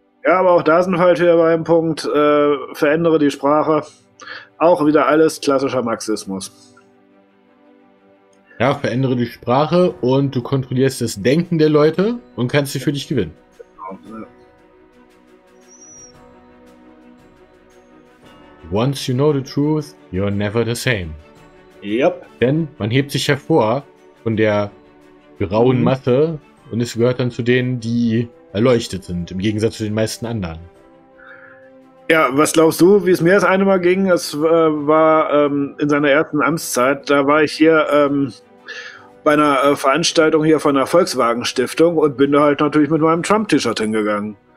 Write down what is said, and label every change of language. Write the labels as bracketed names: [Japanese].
[German] Ja, aber auch da sind wir halt wieder bei einem Punkt. Verändere die Sprache. Auch wieder alles klassischer Marxismus. Ja, verändere die Sprache und du kontrollierst das Denken der Leute und kannst sie für dich gewinnen. Genau. [English] Once you know the truth, you're never the same. Yep. [German] Denn man hebt sich hervor von der grauen Masse und es gehört dann zu denen, die erleuchtet sind, im Gegensatz zu den meisten anderen. Ja, was glaubst du, wie es mir das eine Mal ging? Es war in seiner ersten Amtszeit, da war ich hier bei einer Veranstaltung hier von der Volkswagen-Stiftung und bin da halt natürlich mit meinem Trump-T-Shirt hingegangen.